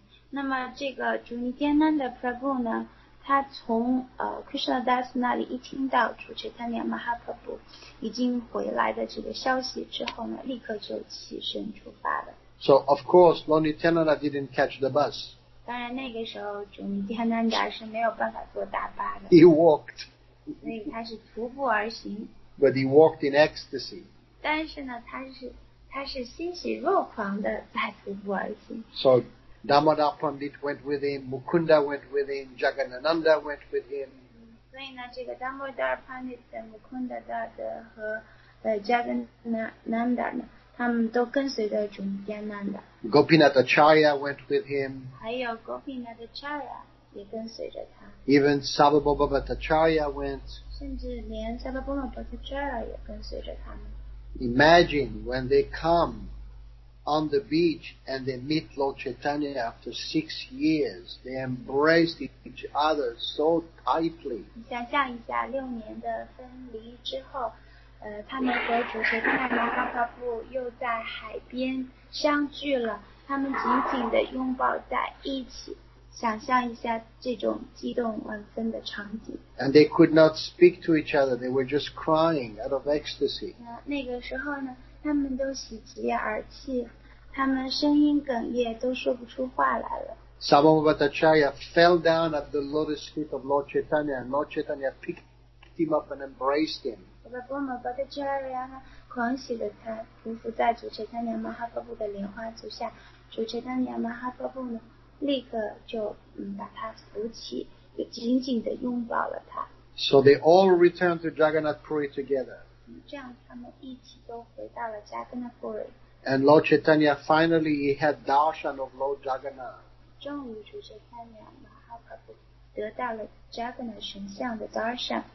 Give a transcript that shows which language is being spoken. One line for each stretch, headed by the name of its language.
Chinese: 那么这个主尼天南的 Prabhu 呢，他从Krishna Das 那里一听到主 Chaitanya Mahaprabhu 已经回来的这个消息之后呢，立刻就起身出发了。
English: So of course, Lord Nityananda didn't catch the bus.
Chinese: 当然那个时候主尼天南达是没有办法坐大巴的。
English: He walked.
Chinese: 所以他是徒步而行。
English: But he walked in ecstasy.
Chinese: 但是呢，他是欣喜若狂的在徒步而行。
English: So Damodar Pandit went with him, Mukunda went with him, Jagannanda went with him.
Chinese: 所以呢，这个 Damodar Pandit、Mukunda Das 和Jagannanda 呢，他们都跟随着主尼天南达。
English: Gopinath Acharya went with him.
Chinese: 还有 Gopinath Acharya 也跟随着他。
English: Even Sababa Bhattacharya went.
Chinese: 甚至连萨巴波玛巴塔扎拉也跟随着他们。
English: Imagine when they come on the beach and they meet Lord Chaitanya after 6 years, they embrace each other so tightly.
Chinese: 你想象一下，六年的分离之后，他们和主持人泰玛哈巴布又在海边相聚了，他们紧紧的拥抱在一起。想象一下这种激动万分的场景。
English: And they could not speak to each other. They were just crying out of ecstasy.
Chinese: 那个时候呢，他们都喜极而泣，他们声音哽咽，都说不出话来了。
English: Sababa Bhattacharya fell down at the lotus feet of Lord Chaitanya, and Lord Chaitanya picked him up and embraced him.
Chinese: Sababa Bhattacharya 呢，狂喜的他匍匐在主 Chaitanya Mahaprabhu 的莲花足下，主 Chaitanya Mahaprabhu 呢。立刻就把他扶起，就紧紧地拥抱了他。
English: So they all returned to Jagannath Puri together.
Chinese: 这样他们一起都回到了 Jagannath Puri.
English: And Lord Chaitanya finally he had darshan of Lord Jagannath.
Chinese: 终于主 Chaitanya Mahaprabhu 得到了 Jagannath 神像的 darshan.